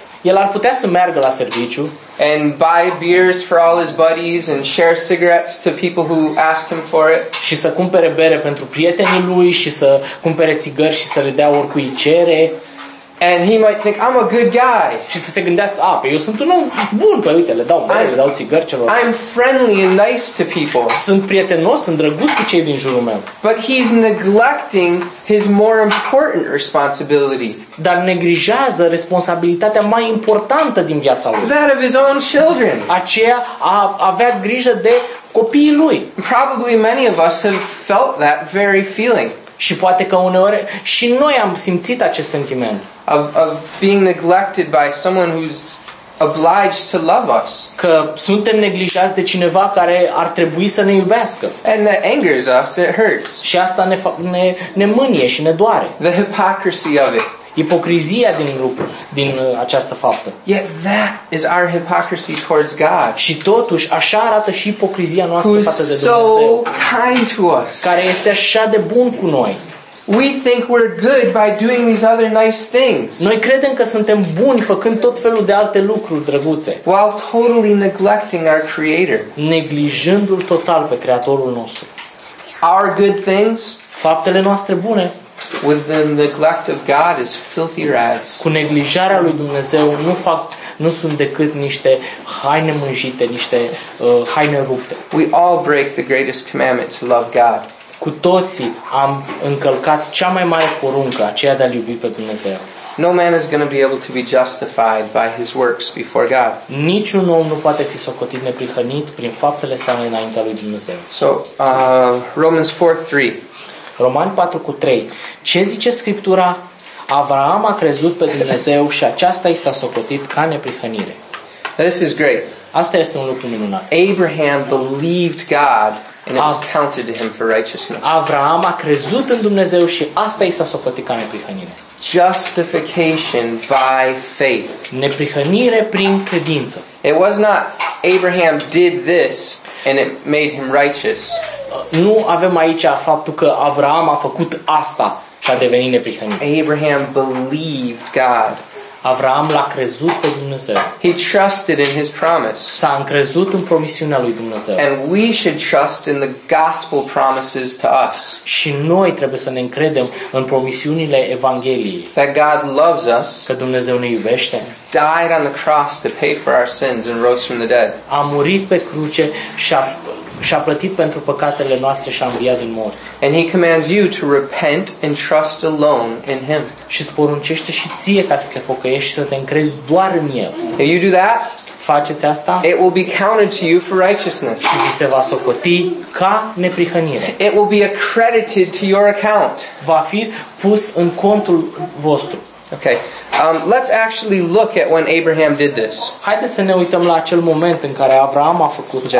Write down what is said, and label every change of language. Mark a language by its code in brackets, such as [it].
[ro] El ar putea să meargă la serviciu [en] and buy beers for all his buddies and share cigarettes to people who ask him for it. [ro] Și să cumpere bere pentru prietenii lui și să cumpere țigări și să le dea oricui cere. [en] And he might think I'm a good guy. [ro] Și să se gândească, a, păi eu sunt un om bun, păi uite, le dau bere, le dau țigări celor. [en] I'm friendly and nice to people. [ro] Sunt prietenos, sunt drăguț cu cei din jurul meu. [en] But he's neglecting his more important responsibility. [ro] Dar neglijează responsabilitatea mai importantă din viața lui. [en] That of his own children. [ro] Aceea a avea grijă de copiii lui. [en] Probably many of us have felt that very feeling. [ro] Și poate că uneori și noi am simțit acest sentiment. [en] Of being neglected by someone who's obliged to love us. [ro] Că suntem neglijați de cineva care ar trebui să ne iubească. [en] And that angers us, it hurts. [ro] Și asta ne mânie și ne doare. [en] The hypocrisy of it. [ro] Ipocrizia din această faptă. [en] Yet that is our hypocrisy towards God. [ro] Și totuși așa arată și ipocrizia noastră față de Dumnezeu. [en] So kind to us. [ro] Care este așa de bun cu noi. [en] We think we're good by doing these other nice things. [ro] Noi credem că suntem buni făcând tot felul de alte lucruri drăguțe. [en] While totally neglecting our creator. [ro] Neglijându-l total pe creatorul nostru. [en] Our good things, [ro] faptele noastre bune, [en] with the neglect of God is filthy rags. [ro] Cu neglijarea lui Dumnezeu nu sunt decât niște haine mânjite, niște haine rupte. [en] We all break the greatest commandment to love God. [ro] Cu toții am încălcat cea mai mare poruncă, aceea de a-L iubi pe Dumnezeu. [en] No man is going to be able to be justified by his works before God. [ro] Niciun om nu poate fi socotit neprihănit prin faptele sale înaintea lui Dumnezeu. [en] So, Romans 4:3. [ro] Romani 4:3. Ce zice Scriptura? Avraam a crezut pe Dumnezeu și aceasta i s-a socotit ca neprihănire. [en] This is great. [ro] Asta este un lucru minunat. [en] Abraham believed God and it was counted to him for righteousness. [ro] Avraam a crezut în Dumnezeu și asta i s-a socotit ca neprihănire. [en] Justification by faith. [ro] Neprihănire prin credință. [en] It was not Abraham did this and it made him righteous. [ro] Nu avem aici faptul că Avraam a făcut asta și a devenit neprihănit. [en] Abraham believed God. [ro] Avraam l-a crezut pe Dumnezeu. [en] He trusted in his promise. [ro] S-a încrezut în promisiunea lui Dumnezeu. [en] And we should trust in the gospel promises to us. [ro] Și noi trebuie să ne încredem în promisiunile Evangheliei. [en] That God loves us. [ro] Că Dumnezeu ne iubește. [en] Died on the cross to pay for our sins and rose from the dead. [ro] A murit pe cruce și a plătit pentru păcatele noastre și a înviat din morți. [en] And he commands you to repent and trust alone in him. [ro] Și poruncește și ție ca să te pocăiești și să te încrezi doar în el. [en] If you do that, [ro] faceți asta, [en] it will be counted to you for righteousness. [ro] Și vi se va socoti ca neprihănire. [en] It will be accredited to your account. [ro] Va fi pus în contul vostru. [en] Okay. Let's actually look at when Abraham did this. [ro] Haideți să ne uităm la acel moment în care Avraam a făcut